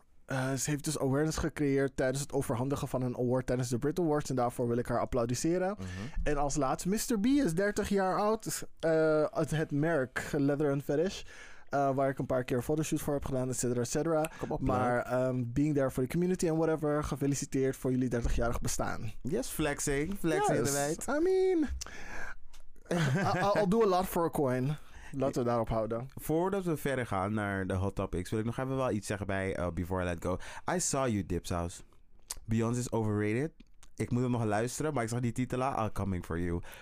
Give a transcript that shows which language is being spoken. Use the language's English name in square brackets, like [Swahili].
[Dutch] ze heeft dus awareness gecreëerd tijdens het overhandigen van een award tijdens de Brit Awards. En daarvoor wil ik haar applaudisseren. Mm-hmm. En als laatste, Mr. B is 30 jaar oud. Het merk Leather and Fetish. Waar ik een paar keer fotoshoots voor heb gedaan, et cetera, et cetera. [English] Maar being there for the community and whatever. [Dutch] Gefeliciteerd voor jullie 30-jarig bestaan. [English] Yes, flexing. Flexing, yes. Inderdaad. I mean, I'll do a lot for a coin. [Dutch] Laten we daarop houden. Voordat we verder gaan naar de hot topics, wil ik nog even wel iets zeggen bij Before I Let Go. [English] I saw you, [Dutch] Dipsaus. [English] Beyoncé is overrated. [Dutch] Ik moet hem nog luisteren, maar ik zag die titel al. [English] Coming for you.